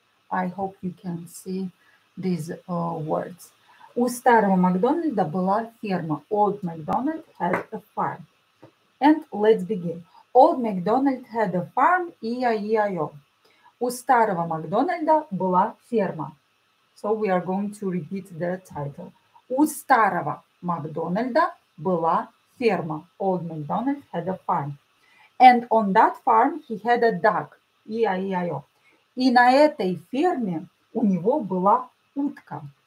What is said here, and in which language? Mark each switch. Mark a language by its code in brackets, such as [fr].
[en] I hope you can see these words. [ru] У старого Макдональда была ферма. [en] Old MacDonald had a farm. And let's begin. Old MacDonald had a farm. E-I-E-I-O. [ru] У старого Макдональда была ферма. [en] So we are going to repeat the title. [ru] У старого Макдональда была ферма. [en] Old MacDonald had a farm. And on that farm he had a duck. E-I-E-I-O. [ru] И на этой ферме у него была утка.